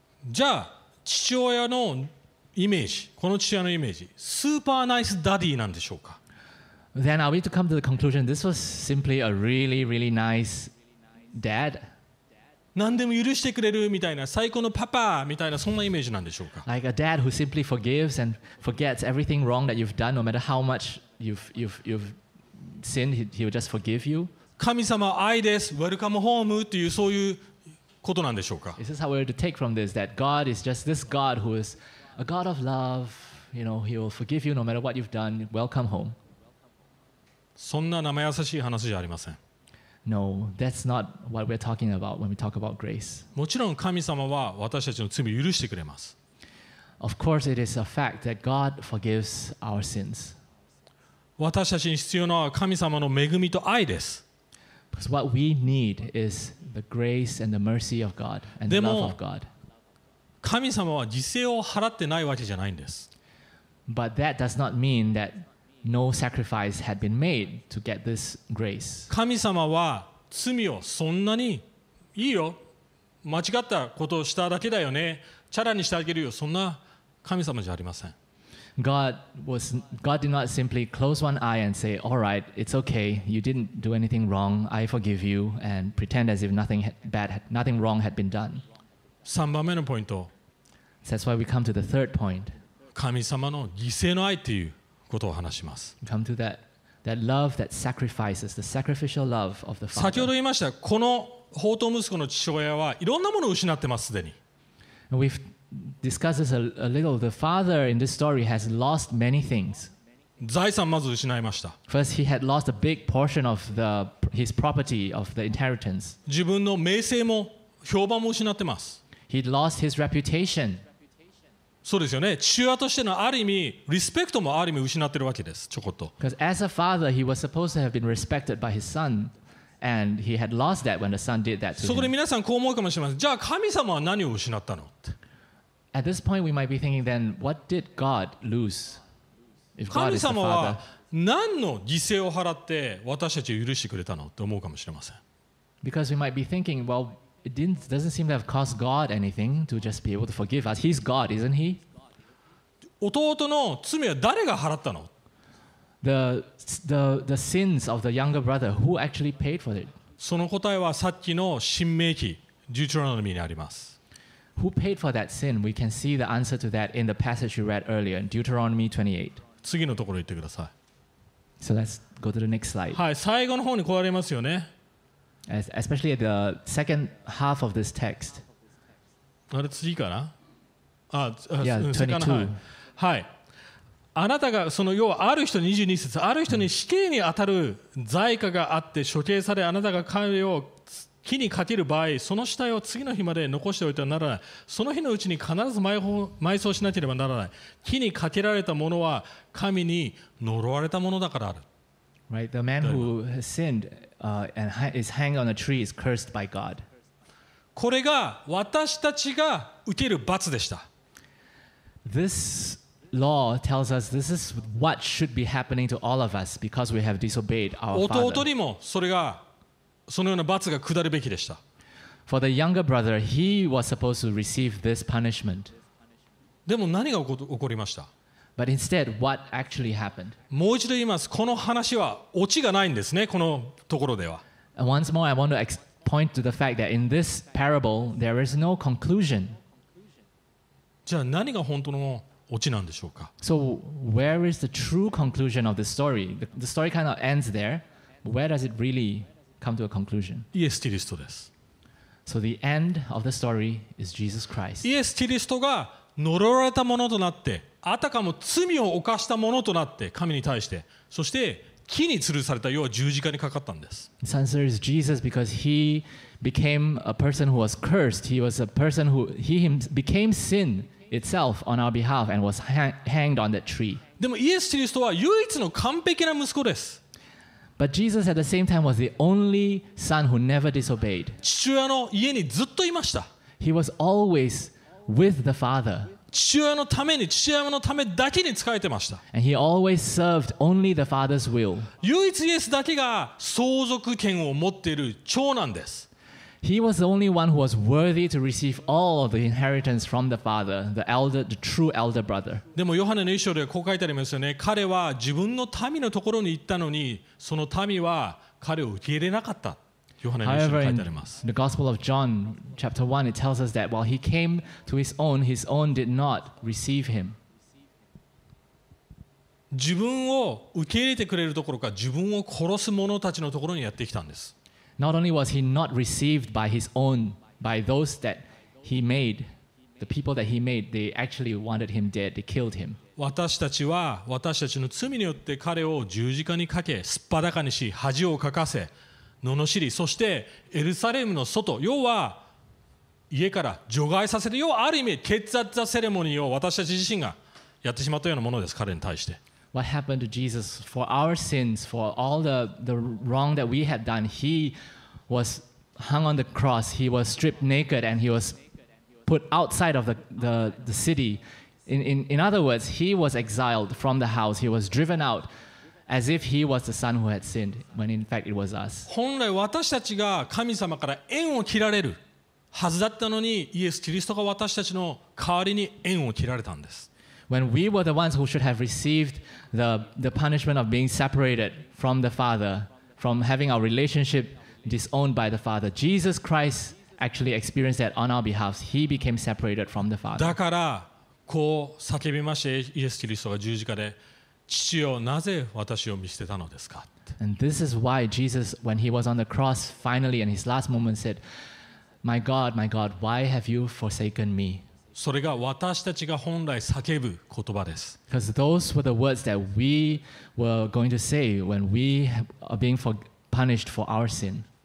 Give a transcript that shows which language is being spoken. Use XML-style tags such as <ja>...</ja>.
<ja>じゃあ父親のイメージ、この父親のイメージ、</ja> <en>スーパーナイスダディ</en> <ja>なんでしょうか。</ja> <en>Then are we to come to the conclusion this was simply a really, really nice dad?</en> <ja>何でも許してくれるみたいな最高のパパみたいなそんなイメージなんでしょうか。</ja> <en>Like a dad who simply forgives and forgets everything wrong that you've done, no matter how much you've sinned, he will just forgive you.</en> <ja>神様愛です、</ja> <en>ウェルカムホーム</en> <ja>っていうそういうことなんでしょうか。</ja> <en>This is how we're to take from this that God is just this God who is a God of love, you know, he will forgive you no matter what you've done. Welcome home.</en> <ja>そんな生優しい話じゃありません。</ja> <en>No, that's not what we're talking about when we talk about grace.</en> <ja>もちろん神様は私たちの罪を許してくれます。</ja> <en>Of course, it is a fact that God forgives our sins.</en> <ja>私たちに必要なのは神様の恵みと愛です。</ja> <en>Because what we need is the grace and the mercy of God and the love of God.</en> <ja>神様は犠牲を払ってないわけじゃないんです。</ja> <en>But that does not mean that no sacrifice had been made to get this grace.</en> <ja>神様は罪をそんなにいいよ、間違ったことをしただけだよね、チャラにしてあげるよ、そんな神様じゃありません。</ja> <en>God did not simply close one eye and say, "All right, it's okay. You didn't do anything wrong. I forgive you," and pretend as if nothing wrong had been done.</en> <ja>3番目のポイント。</ja> <en>That's why we come to the third point.</en> <ja>神様の犠牲の愛っていうことを話します。</ja> <en>Come to that love that sacrifices, the sacrificial love of the Father.</en> <ja>先ほど言いました、この放蕩息子の父親はいろんなものを失ってます、すでに。</ja> <en>We've discussed a little. The father in this story has lost many things.</en> <ja>財産まず失いました。</ja> <en>First, he had lost a big portion of his property, of the inheritance.</en> <ja>自分の名声も評判も失ってます。</ja> <en>He'd lost his reputation.</en> <ja>そうですよね。父親としてのある意味、リスペクトもある意味失ってるわけです。ちょこっと。</ja> <en>Because as a father, he was supposed to have been respected by his son, and he had lost that when the son did that to him.</en> <ja>そこで皆さんこう思うかもしれません。じゃあ神様は何を失ったの？</ja> <en>At this point, we might be thinking, then, what did God lose? If God is the father,</en> <ja>神様は何の犠牲を払って私たちを許してくれたの？と思うかもしれません。</ja> <en>Because we might be thinking, well,doesn't seem to have cost God anything to just be able to forgive us. He's God, isn't he?</en> <ja>弟の罪は誰が払ったの？</ja> <en>The sins of the younger brother, who actually paid for it?</en> <ja>その答えはさっきの新命記、Deuteronomy にあります。</ja> <en>Who paid for that sin? We can see the answer to that in the passage you read earlier, in Deuteronomy 28.</en> <ja>次のところ行ってください。</ja> <en>So let's go to the next slide.</en> <ja>はい、最後の方に来られますよね。</ja> <en>Especially at the second half of this text.</en> <ja>あれ次かな？あ、</ja> <en>yeah,</en> <ja>22. はい。あなたがその要はある人22節、ある人に死刑に当たる罪過があって処刑され、あなたが彼を木にかける場合、その死体を次の日まで残しておいてはならない。その日のうちに必ず埋葬しなければならない。木にかけられたものは神に呪われたものだからある。</ja> <en>Right, the man who has sinned and is hanged on a tree is cursed by God.</en> <ja>これが私たちが受ける罰でした。</ja> <en>This law tells us this is what should be happening to all of us because we have disobeyed our father.</en> <ja>弟にもそれがそのような罰が下るべきでした。</ja> <en>For the younger brother, he was supposed to receive this punishment.</en> <ja>でも何が起こりました？</ja> <en>But instead, what actually happened?</en> <ja>もう一度言います。この話はオチがないんですね、このところでは。</ja> <en>And once more, I want to point to the fact that in this parable, there is no conclusion.</en> <ja>じゃあ何が本当のオチなんでしょうか。</ja> <en>So where is the true conclusion of the story? The story kind of ends there. Where does it really come to a conclusion?</en> <ja>イエス・キリストです。</ja> <en>So the end of the story is Jesus Christ.</en> <ja>イエス・キリストが呪われたものとなって、あたかも罪を犯したものとなって神に対して、そして木に吊るされた、要は十字架にかかったんです。</ja> <en>The answer is Jesus because he became a person who was cursed. He was a person who he became sin itself on our behalf and was hanged on that tree.</en> <ja>でもイエス・キリストは唯一の完璧な息子です。</ja> <en>But Jesus at the same time was the only son who never disobeyed.</en> <ja>父親の家にずっといました。</ja> <en>He was always with the father.</en> <ja>父親のために、父親のためだけに仕えてました。</ja> <en>And he always served only the father's will.</en> <ja>唯一イエスだけが相続権を持っている長男です。</ja> <en>He was the only one who was worthy to receive all of the inheritance from the father, the elder, the true elder brother.</en> <ja>でもヨハネの一章ではこう書いてありますよね。彼は自分の民のところに行ったのに、その民は彼を受け入れなかった。ヨハネの一章に書いてあります。</ja> <en>The Gospel of John, chapter 1, it tells us that while he came to his own did not receive him.</en> <ja>自分を受け入れてくれるところか、自分を殺す者たちのところにやってきたんです。</ja> <en>Not only was he not received by his own, by those that he made, the people that he made, they actually wanted him dead, they killed him.</en> <ja>私たちは私たちの罪によって彼を十字架にかけ、すっぱだかにし、恥をかかせ、罵り、そしてエルサレムの外、要は家から除外させる、要はある意味、決断ザセレモニーを私たち自身がやってしまったようなものです、彼に対して。</ja> <en>What happened to Jesus for our sins, for all the wrong that we had done? He was hung on the cross. He was stripped naked, and he was put outside of the city. In other words, he was exiled from the house. He was driven out, as if he was the son who had sinned, when in fact it was us.</en> <ja>本来私たちが神様から縁を切られるはずだったのに、イエス・キリストが私たちの代わりに縁を切られたんです。</ja> <en>When we were the ones who should have received the punishment of being separated from the Father, from having our relationship disowned by the Father, Jesus Christ actually experienced that on our behalf. He became separated from the Father.</en> <ja>だからこう叫びましたイエス・キリストが十字架で父よなぜ私を見捨てたのですか。</ja> <en>And this is why Jesus, when he was on the cross, finally in his last moment said, my God, why have you forsaken me?</en> <ja>それが私たちが本来叫ぶ言葉です。</ja> <en>Because those were the words that we were going to say when we are being punished for our sin.</en>